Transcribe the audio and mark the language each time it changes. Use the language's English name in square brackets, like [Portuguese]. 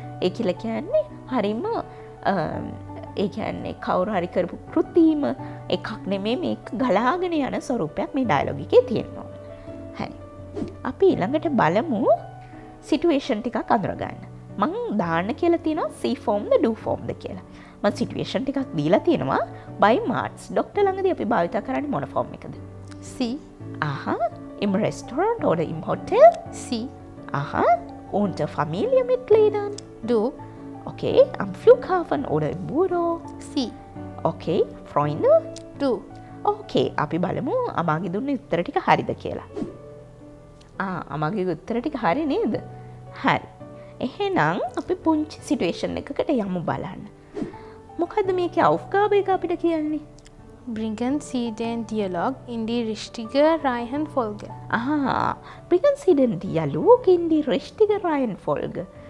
[Sinhala] ඒ කියලා කියන්නේ හරිම ඒ කියන්නේ කවුරු හරි කරපු කෘතීම එකක් නෙමෙයි මේක ගලාගෙන යන ස්වරූපයක් මේ ඩයලොග් එකේ තියෙනවා. හරි. අපි ඊළඟට බලමු සිට්යුේෂන් ටිකක් අඳුරගන්න. මං දාන්න කියලා තියෙනවා C form the do form ද කියලා. මං situation ටිකක් දීලා තියෙනවා by marks. ඩොක්ටර් ළඟදී අපි භාවිත කරන්නේ මොන form එකද? [German] C. Aha. Im restaurant or im hotel? C. Aha. Unter Familienmitgliedern? Du. Okay. Am Flughafen oder im Büro? C. Okay. Freunde? Du. Okay. [Sinhala] අපි බලමු අමාගේ දුන්න උත්තර ටික හරිද කියලා. ආ අමාගේ උත්තර ටික හරි නේද? හරි. එහෙනම් අපි පුංචි සිටුේෂන් එකකට යමු බලන්න. මොකද්ද මේකේ අවුස්ගාබේ එක අපිට කියන්නේ? [German] Bringen Sie den Dialog in die richtige Reihenfolge. Aha, bringen Sie den Dialog in die richtige Reihenfolge.